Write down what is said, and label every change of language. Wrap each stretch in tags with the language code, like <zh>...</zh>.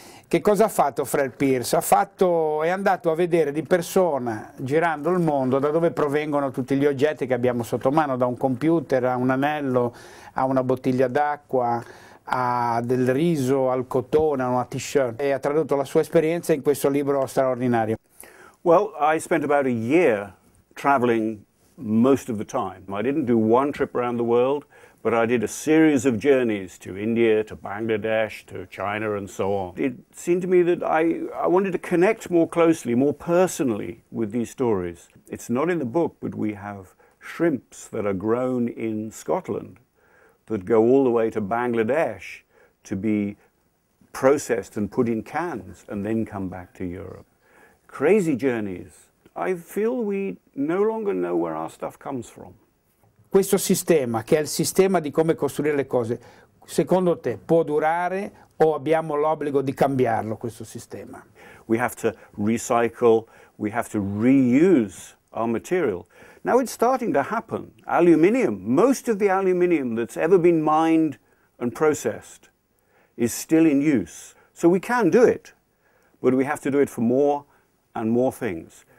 <it>Che cosa ha fatto Fred Pierce? È andato a vedere di persona, girando il mondo, da dove provengono tutti gli oggetti che abbiamo sotto mano, da un computer a un anello, a una bottiglia d'acqua, a del riso, al cotone, a una t-shirt, e ha tradotto la sua esperienza in questo libro straordinario.</it> <en>Well, I spent about a year traveling most of the time. I didn't do one trip around the world, but I did a series of journeys to India, to Bangladesh, to China, and so on. It seemed to me that I wanted to connect more closely, more personally, with these stories. It's not in the book, but we have shrimps that are grown in Scotland that go all the way to Bangladesh to be processed and put in cans and then come back to Europe. Crazy journeys. I feel we no longer know where our stuff comes from.</en> <it>Questo sistema, che è il sistema di come costruire le cose, secondo te può durare o abbiamo l'obbligo di cambiarlo, questo sistema?</it> <en>We have to recycle, we have to reuse our material. Now it's starting to happen. Aluminium, most of the aluminium that's ever been mined and processed is still in use. So we can do it, but we have to do it for more and more things.</en>